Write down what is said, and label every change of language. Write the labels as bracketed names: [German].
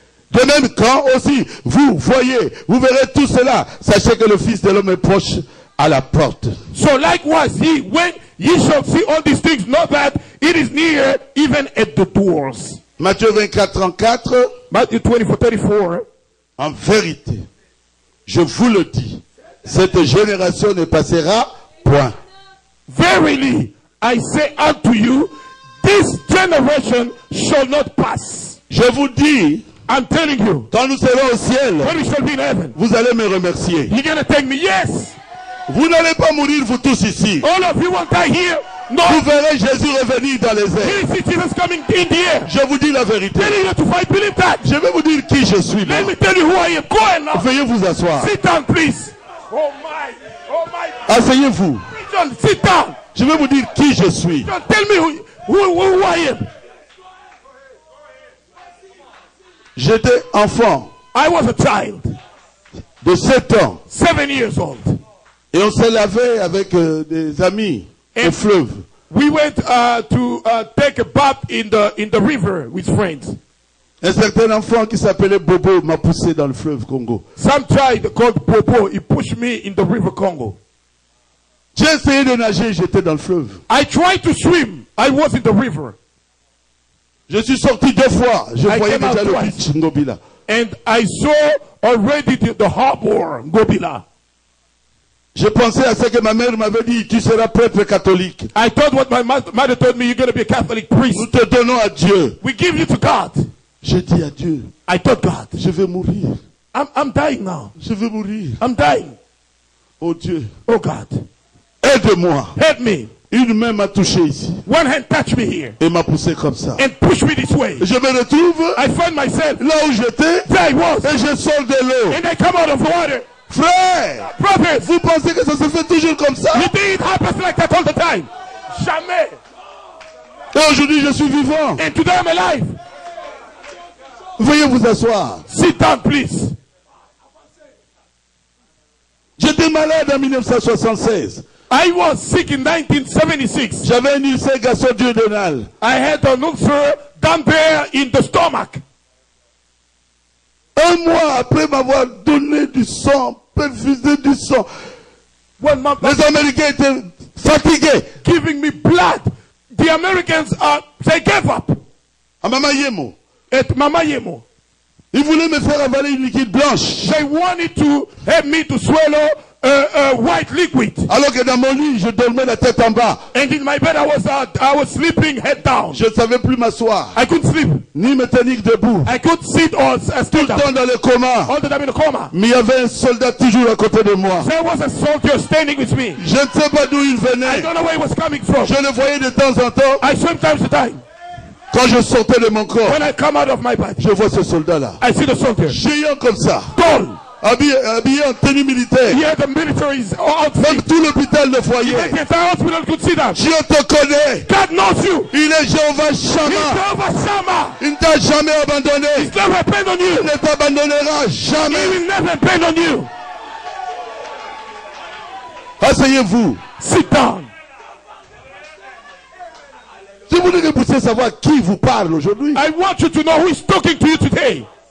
[French] De même, quand aussi vous voyez, vous verrez tout cela, sachez que le Fils de l'homme est proche à la porte. [English] So likewise, ye, when ye shall see all these things, know that it is near even at the doors. [French] Matthieu 24, 34. [English] Matthew 24, 34. [French] En vérité, je vous le dis, cette génération ne passera point. [English] Verily, I say unto you, this generation shall not pass. [French] Je vous dis. [English] I'm telling you. [French] Quand nous serons au ciel, [English] when we shall be in heaven, [French] vous allez me remercier. [English] You're gonna thank me. Yes. [French] Vous n'allez pas mourir vous tous ici. [English] All of you won't die here. No. [French] Vous verrez Jésus revenir dans les airs. [English] You see Jesus coming in the air. [French] Je vous dis la vérité. [English] Tell you to fight. Believe that. [French] Je vais vous dire qui je suis. [English] Let me tell you who I am. Go ahead now. [French] Veuillez vous asseoir. [English] Sit down, please. Oh my. Oh my. [French] Asseyez-vous. [English] Sit down. [French] Je vais vous dire qui je suis. [English] Tell me who I am. [French] J'étais enfant. [English] I was a child. [French] De 7 ans. [English] 7 years old. [French] Et on s'est lavé avec des amis au fleuve. [English] We went take a bath in the river with friends. [French] Un certain enfant qui s'appelait Bobo m'a poussé dans le fleuve Congo. [English] Some child called Bobo, he pushed me in the river Congo. [French] J'ai essayé de nager, j'étais dans le fleuve. [English] I tried to swim. I was in the river. [French] Je suis sorti deux fois. Je voyais déjà le beach Ngobila. [English] And I saw already the harbor Ngobila. [French] Je pensais à ce que ma mère m'avait dit, tu seras prêtre catholique. [English] I thought what my mother told me, you're going to be a Catholic priest. [French] Nous te donnons à Dieu. [English] We give you to God. [French] Je dis à Dieu. [English] I told God. [French] Je vais mourir. [English] I'm dying now. [French] Je vais mourir. [English] I'm dying. [French] Oh Dieu. [English] Oh God. [French] Aide-moi. [English] Help me. [French] Une main m'a touché ici. [English] One hand touched me here. [French] Et m'a poussé comme ça. [English] And pushed me this way. [French] Je me retrouve. [English] I find myself. [French] Là où j'étais. [English] There I was. [French] Et je sors de l'eau. [English] And I come out of water. [French] Frère, vous pensez que ça se fait toujours comme ça? [English] You think it happens like that all the time? [French] Jamais. Et aujourd'hui, je suis vivant. [English] And today I'm alive. [French] Veuillez vous asseoir. [English] Sit down, please. [French] J'étais malade en 1976. [English] I was sick in 1976. [French] J'avais une ulcère gastro-duodénale. [English] I had an ulcer down there in the stomach. [French] Un mois après m'avoir donné du sang, perfusé du sang, les Américains étaient fatigués. [English] Giving me blood, the Americans are, they gave up. [French] À Maman Yemo. [English] At Mama Yemo. [French] Ils voulaient me faire avaler une liquide blanche. [English] They wanted to help me to swallow a white liquid. [French] Alors que dans mon lit, je dormais la tête en bas. [English] And in my bed, I was sleeping head down. [French] Je ne savais plus m'asseoir. [English] I couldn't sleep. [French] Ni me tenir debout. [English] I couldn't sit or stand. [French] Tout le temps dans le coma. [English] All the time in the coma. [French] Mais il y avait un soldat toujours à côté de moi. [English] There was a soldier standing with me. [French] Je ne sais pas d'où il venait. [English] I don't know where he was coming from. [French] Je le voyais de temps en temps. [English] I saw him time to time. [French] Quand je sortais de mon corps, [English] when I come out of my body, [French] je vois ce soldat-là. [English] I see the soldier. [French] Géant comme ça. [English] Tall. [French] Habillé en tenue militaire. [English] He had the military's outfit. [French] Même tout l'hôpital le voyait. [English] The entire hospital could see that. [French] Dieu te connaît. [English] God knows you. [French] Il est Jéhovah Shammah. [English] He's Jehovah Shammah. [French] Il ne t'a jamais abandonné. [English] He's never abandoned on you. [French] Il ne t'abandonnera jamais. [English] He will never abandon on you. [French] Asseyez-vous. [English] Sit down. [French] Si vous voulez que vous puissiez savoir qui vous parle aujourd'hui. [English] I want you to know who is talking to you today.